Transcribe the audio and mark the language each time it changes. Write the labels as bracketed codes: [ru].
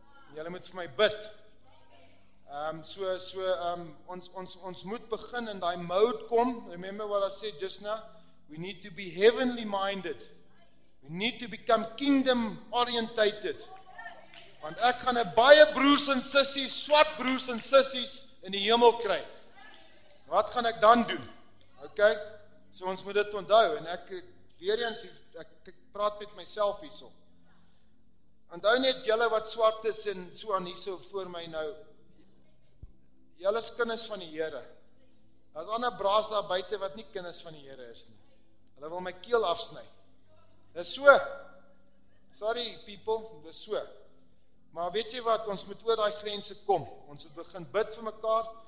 [af] En julle moet vir my bid. Ons moet begin in daai mode kom. [en] Remember what I said just now? We need to be heavenly minded. We need to become kingdom orientated. [af] Want ek gaan 'n baie broers en sissies, swart broers en sissies in die hemel kry. Wat gaan ek dan doen? Okay? So ons moet dit onthou en ek weer eens ek praat met myself hierso. Onthou net julle wat swart is en so aan hierso voor my nou. Julle is kinders van die Here. Daar's ander braas daar buite wat nie kinders van die Here is nie. Hulle wil my keel afsny. Dis so. [en] Sorry people, [af] dis so. Maar weet jy wat, ons moet oor daai grense kom. Ons moet begin bid vir mekaar.